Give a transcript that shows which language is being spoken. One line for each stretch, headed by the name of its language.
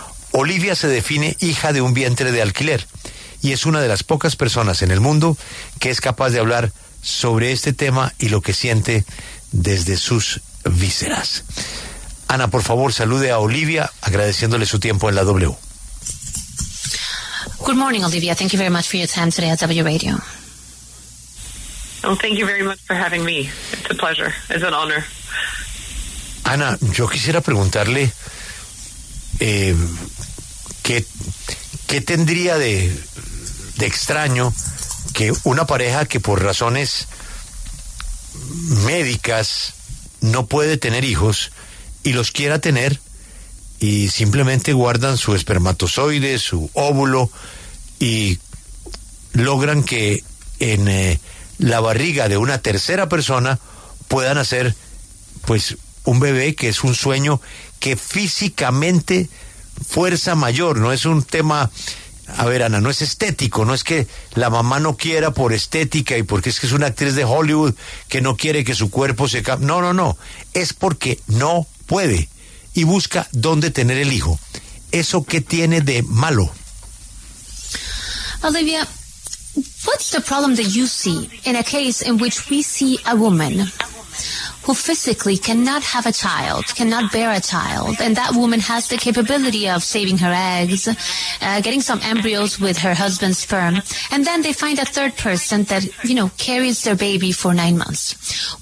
Spanish: Olivia se define hija de un vientre de alquiler y es una de las pocas personas en el mundo que es capaz de hablar sobre este tema y lo que siente desde sus vísceras. Ana, por favor, salude a Olivia agradeciéndole su tiempo en la W.
English: Good morning, Olivia. Thank you very much for your time today at W Radio. Oh, thank you very much for having me. It's a pleasure. It's an honor.
Spanish: Ana, yo quisiera preguntarle ¿qué tendría de extraño que una pareja que por razones médicas no puede tener hijos y los quiera tener y simplemente guardan su espermatozoide, su óvulo y logran que en la barriga de una tercera persona puedan hacer pues un bebé, que es un sueño que físicamente fuerza mayor, no es un tema, a ver Ana, no es estético, no es que la mamá no quiera por estética y porque es que es una actriz de Hollywood que no quiere que su cuerpo se cambie, no, es porque no puede y busca dónde tener el hijo. ¿Eso qué tiene de malo?
English: Olivia, what's the problem that you see in a case in which we see a woman who physically cannot have a child, cannot bear a child, and that woman has the capability of saving her eggs, getting some embryos with her husband's sperm, and then they find a third person that, you know, carries their baby for 9 months.